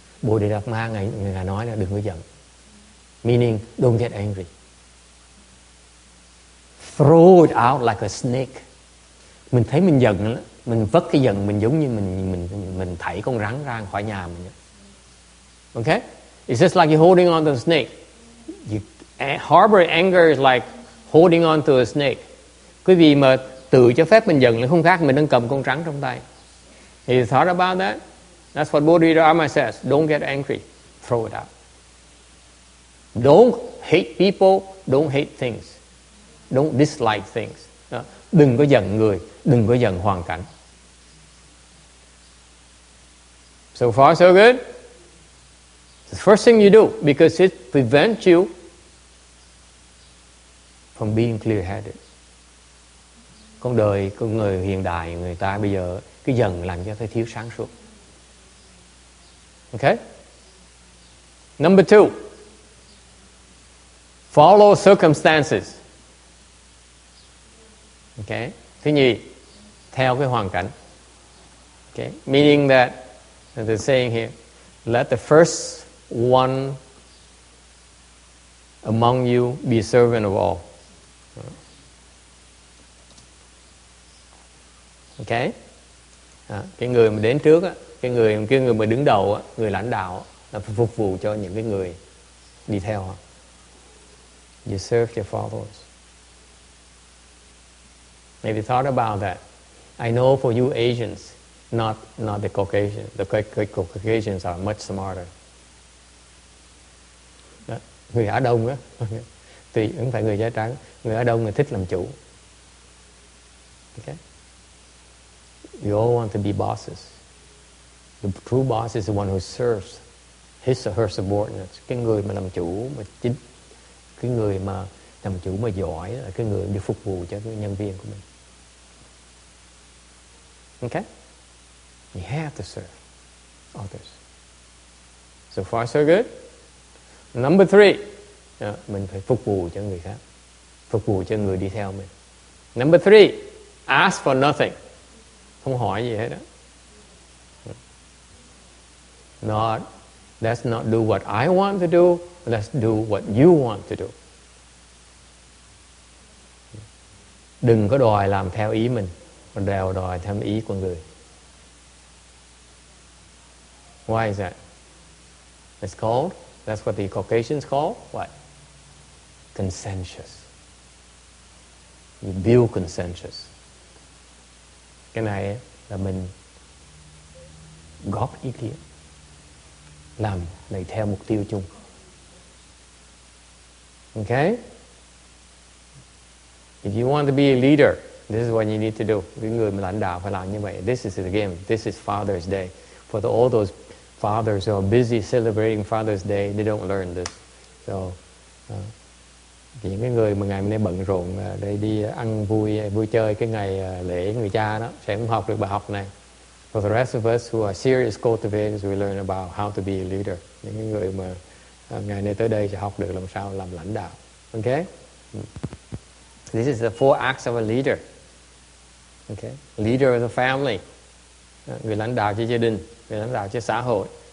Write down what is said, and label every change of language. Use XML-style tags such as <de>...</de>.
<vi>Bodhidharma ngài nói là đừng có giận.</vi> <en>Meaning, don't get angry. Throw it out like a snake.</en> <vi>Mình thấy mình giận, mình vất cái giận mình giống như mình thảy con rắn ra khỏi nhà mình.</vi> <en>Okay? It's just like you're holding on to a snake. Harboring anger is like holding on to a snake.</en> <vi>Quý vị mà tự cho phép mình giận là không khác mình đang cầm con rắn trong tay.</vi> <en>He thought about that. That's what Bodhidharma says. Don't get angry. Throw it out. Don't hate people. Don't hate things. Don't dislike things.</en> <vi>Đừng có giận người. Đừng có giận hoàn cảnh.</vi> <en>So far so good. The first thing you do, because it prevents you from being clear-headed.</en> <vi>Con đời, con người hiện đại, người ta bây giờ cứ dần làm cho thấy thiếu sáng suốt.</vi> <en>Okay? Number two. Follow circumstances. Okay?</en> <vi>Thứ nhì, theo cái hoàn cảnh.</vi> <en>Okay? Meaning that, as they're saying here, let the first one among you be servant of all. Okay.</en> <vi>Cái người mà đến trước á, cái người mà đứng đầu á, người lãnh đạo á, là phục vụ cho những cái người đi theo.</vi> <en>You serve your followers. Maybe thought about that. I know for you Asians, not the Caucasians. The Caucasians are much smarter.</en> <vi>Đó. Người Á Đông á, tùy không phải người da trắng, người Á Đông người thích làm chủ.</vi> <en>Okay. We all want to be bosses. The true boss is the one who serves his or her subordinates.</en> <vi>Cái người mà làm chủ mà chính, cái người mà làm chủ mà giỏi là cái người đi phục vụ cho cái nhân viên của mình.</vi> <en>Okay? You have to serve others. So far, so good. Number three,</en> <vi>mình phải phục vụ cho người khác, phục vụ cho người đi theo mình.</vi> <en>Number three, ask for nothing.</en> <vi>Không hỏi gì hết đó.</vi> <en>Not, let's not do what I want to do, let's do what you want to do.</en> <vi>Đừng có đòi làm theo ý mình, mà đều đòi theo ý của người.</vi> <en>Why is that? It's called, that's what the Caucasians call, what? Consensus. You build consensus.</en> <vi>Cái này là mình góp ý kiến, làm này theo mục tiêu chung.</vi> <en>Okay? If you want to be a leader, this is what you need to do.</en> <vi>Những người lãnh đạo phải làm như vậy.</vi> <en>This is the game. This is Father's Day. For the, all those fathers who are busy celebrating Father's Day, they don't learn this.</en> <vi>So, những cái người mà ngày hôm nay bận rộn để đi ăn vui, vui chơi cái ngày lễ người cha đó, sẽ không học được bài học này.</vi> <en>For the rest of us who are serious cultivators, we learn about how to be a leader.</en> <vi>Những cái người mà ngày nay tới đây sẽ học được làm sao làm lãnh đạo.</vi> <en>Okay? This is the four acts of a leader. Okay? Leader of the family.</en> <vi>Người lãnh đạo cho gia đình, người lãnh đạo cho xã hội.</vi>